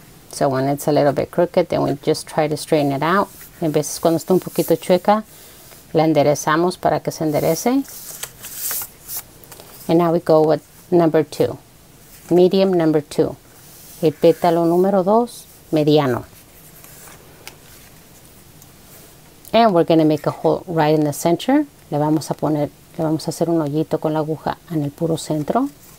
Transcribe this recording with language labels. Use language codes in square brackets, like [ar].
[en] So when it's a little bit crooked, then we just try to straighten it out. [es] En veces cuando está un poquito chueca, la enderezamos para que se enderece. [en] And now we go with number two, medium number two, [es] el pétalo número dos, mediano. [en] And we're going to make a hole right in the center. [es] Le vamos a hacer un hoyito con la aguja en el puro centro.